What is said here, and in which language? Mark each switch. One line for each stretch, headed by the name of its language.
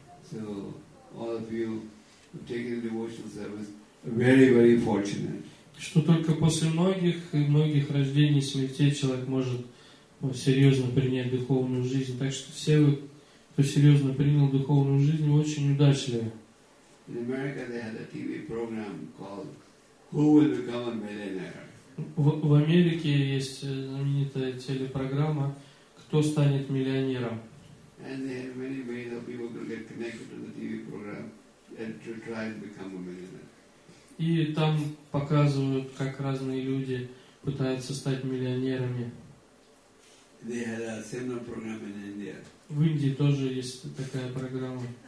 English: So, all of you who have taken devotional service are very, very fortunate.
Russian: Что только после многих и многих рождений и смертей человек может серьезно принять духовную жизнь. Так что все вы, кто серьезно принял духовную жизнь, очень удачливы.
English: In America they had a TV program called Who Will Become a Millionaire?
Russian: В Америке есть знаменитая телепрограмма «Кто станет миллионером?».
English: And they had many ways of people to get connected to the TV program and to try and become a millionaire.
Russian: И там показывают, как разные люди пытаются стать миллионерами.
English: They had a similar program in India.
Russian: В Индии тоже есть такая программа.